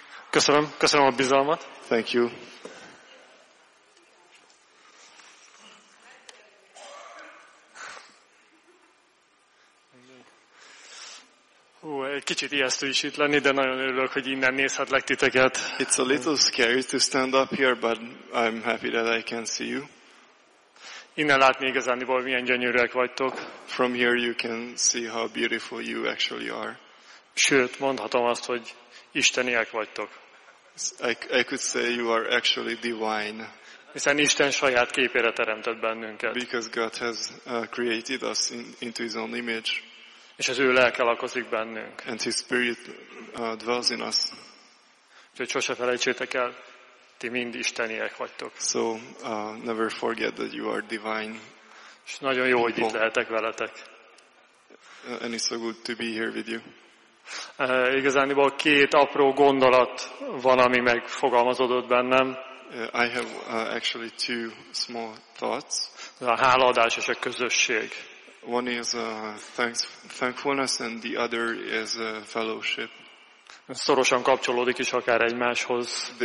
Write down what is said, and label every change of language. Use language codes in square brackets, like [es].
[hu] Köszönöm, köszönöm a bizalmat. [en] Thank you. [hu] Hú, egy kicsit ijesztő is itt lenni, de nagyon örülök, hogy innen nézhetlek titeket. [en] It's a little scary to stand up here, but I'm happy that I can see you. [hu] Innen látni igazániból, milyen gyönyörűek vagytok. [en] From here you can see how beautiful you actually are. [hu] Sőt, mondhatom azt, hogy isteniek vagytok. [en] I could say you are actually divine. [hu] Hiszen Isten saját képére teremtett bennünket. [en] Because God has created us into his own image. [hu] És az ő lelke lakozik bennünk. [en] And his spirit dwells in us. [hu] Úgyhogy sose felejtsétek el, ti mind isteniek vagytok. [en] So never forget that you are divine. [hu] És nagyon jó, hogy itt lehetek veletek. [en] And it's so good to be here with you. [hu] Igazániból két apró gondolat van, ami megfogalmazódott bennem. [en] I have actually two small thoughts. [hu] A hálaadás és a közösség. [en] One is thankfulness and the other is fellowship. [hu] Szorosan kapcsolódik is akár egymáshoz.